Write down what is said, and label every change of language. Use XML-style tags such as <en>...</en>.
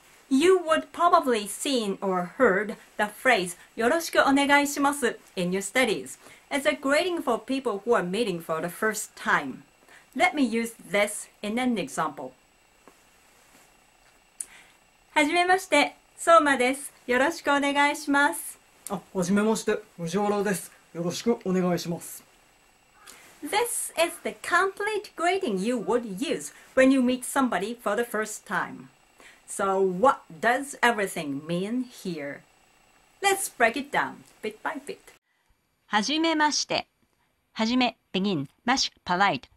<en>You would probably seen or heard the phrase,</en> <ja>よろしくお願いします</ja> <en>in your studies, as a greeting for people who are meeting for the first time. Let me use this in an example.</en> <ja>はじめまして、ソーマです。よろしくお願いします。はじめまして、藤原です。よろしくお願いします。</ja> <en>This is the complete greeting you would use when you meet somebody for the first time. So what does everything mean here? Let's break it down, bit by bit.</en> <ja>はじめまして。はじめ、</ja> <en>begin, mash, polite.</en>